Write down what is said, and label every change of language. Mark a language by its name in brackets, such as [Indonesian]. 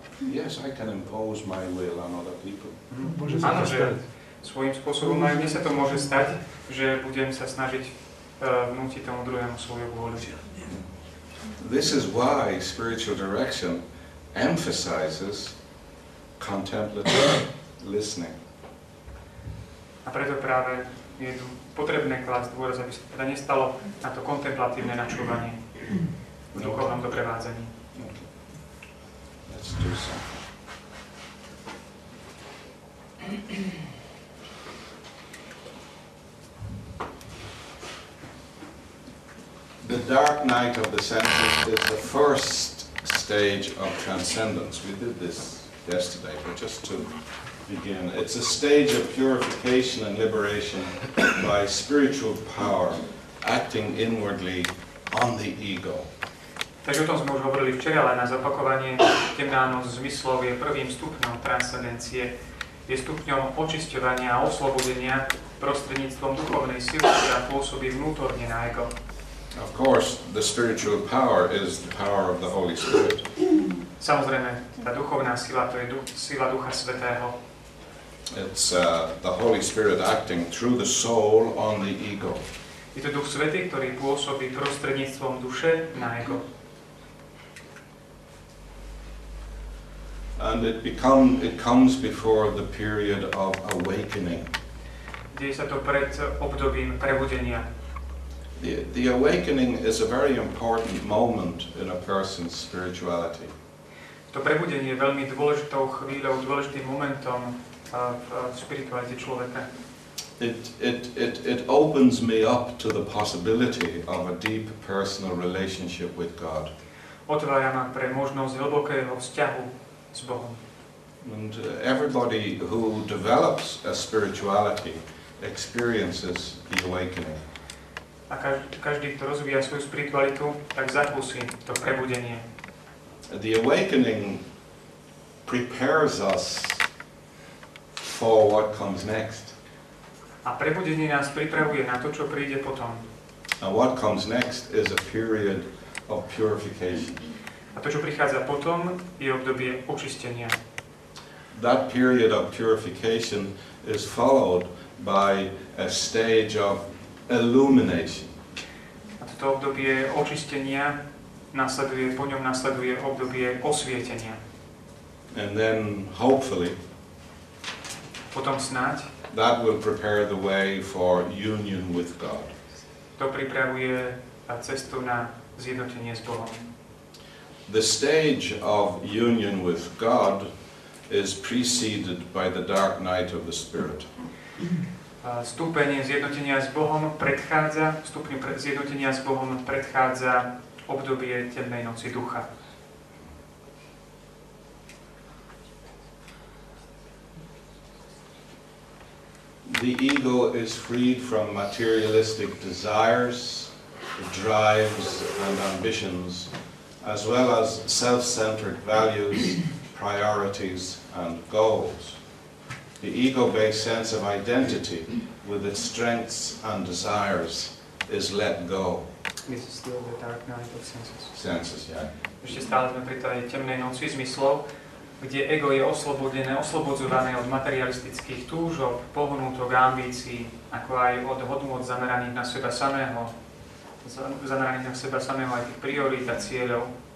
[English] Yes, I can impose my will on other people. [Slovak] Môže sa to stať. Svojím spôsobom, aj mne sa to môže stať, že budem sa snažiť vnútiť tomu druhému svoju vôľu. [English] This is why spiritual direction emphasizes contemplative listening. [Slovak] A preto práve je potrebné klásť dôraz, aby sa teda nestalo na to kontemplatívne načúvanie v duchovnom doprevádzaní. [English] Let's do something. The dark night of the senses is the first stage of transcendence. We did this yesterday, but just to begin. It's a stage of purification and liberation by spiritual power acting inwardly on the ego. [Slovak] Takže o tom sme už hovorili včera, ale na zopakovanie temná noc zmyslov je prvým stupňom transcendencie. Je stupňom očisťovania a oslobodenia prostredníctvom duchovnej sily, ktorá pôsobí vnútorne na ego. [English] Of course, the spiritual power is the power of the Holy Spirit. [Slovak] Samozrejme, tá duchovná sila, to je sila Ducha Svätého. [English] It's the Holy Spirit acting through the soul on the ego. [Slovak] Je to Duch Svätý, ktorý pôsobí prostredníctvom duše na ego. [English] And it comes before the period of awakening. [Slovak] Deje sa to pred obdobím prebudenia. [English] The awakening is a very important moment in a person's spirituality. [Slovak] To prebudenie je veľmi dôležitou chvíľou, dôležitým momentom v spiritualite človeka. [English] It opens me up to the possibility of a deep personal relationship with God. [Slovak] Otvára ma pre možnosť hlbokého vzťahu s Bohom. [English] And everybody who develops a spirituality experiences the awakening. [Slovak] A každý, kto rozvíja svoju spiritualitu, tak zakúsi to prebudenie. [English] The awakening prepares us for what comes next. [Slovak] A prebudenie nás pripravuje na to, čo príde potom. [English] And what comes next is a period of purification. [Slovak] A to, čo prichádza potom, je obdobie očistenia. [English] That period of purification is followed by a stage of illumination. [Slovak] A toto obdobie očistenia nasleduje, po ňom nasleduje obdobie osvietenia. [English] And then hopefully [Slovak] potom snáď [English] that will prepare the way for union with God. [Slovak] To pripravuje cestu na zjednotenie s Bohom. [English] The stage of union with God is preceded by the dark night of the spirit. [Slovak] Stupeň zjednotenia s Bohom predchádza, stupeň zjednotenia s Bohom predchádza obdobie temnej noci ducha. [English] The ego is freed from materialistic desires, drives and ambitions, as well as self-centered values, priorities and goals. The ego-based sense of identity with its strengths and desires is let go. This is still the dark night of senses. Senses, yeah. [Slovak] Ešte stále sme pri tej temnej noci zmyslov, kde ego je oslobodené, oslobodzované od materialistických túžob, pohnutok, ambícií, ako aj od hodnôt zameraných na seba samého, zameraných na seba samého aj tých priorít a cieľov.